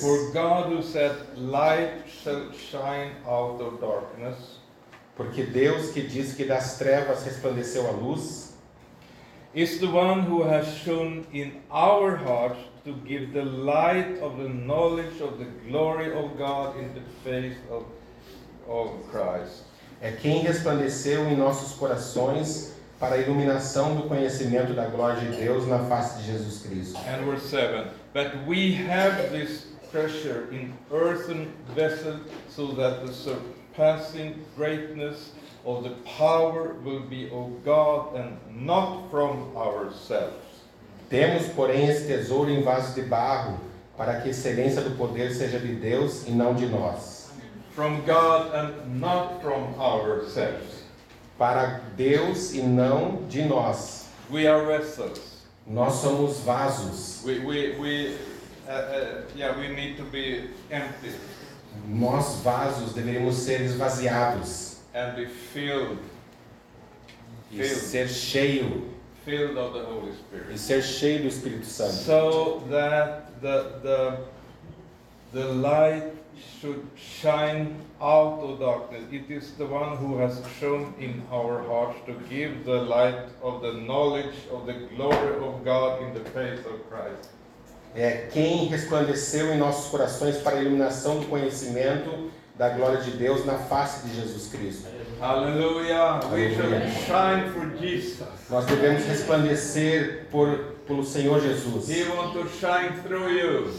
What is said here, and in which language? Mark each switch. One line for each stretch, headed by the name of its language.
English: For God who said, light shall shine out of darkness.
Portuguese: Porque Deus que diz que das trevas resplandeceu a luz.
English: Is the one who has shone in our hearts to give the light of the knowledge of the glory of God in the face of Christ.
Portuguese: É quem resplandeceu em nossos corações para a iluminação do conhecimento da glória de Deus na face de Jesus Cristo.
English: And verse 7. But we have this treasure in earthen vessels so that the surpassing greatness of the power will be of God and not from ourselves.
Portuguese: Temos, porém, esse tesouro em vasos de barro para que a excelência do poder seja de Deus e não de nós.
English: From God and not from ourselves.
Portuguese: Para Deus e não de nós.
English: We are vessels.
Portuguese: Nós somos vasos.
English: We need to be empty.
Portuguese: Nós vasos deveríamos ser esvaziados.
English: And be filled.
Portuguese: E ser cheio.
English: Filled of the Holy Spirit.
Portuguese: E ser cheio do Espírito Santo.
English: So that the light should shine out of darkness. It is the one who has shown in our hearts to give the light of the knowledge of the glory of God in the face of Christ.
Portuguese: É quem resplandeceu em nossos corações para a iluminação do conhecimento da glória de Deus na face de Jesus Cristo.
English: Hallelujah. We should shine for Jesus.
Portuguese: Nós devemos resplandecer por pelo Senhor Jesus.
English: He wants to shine through you.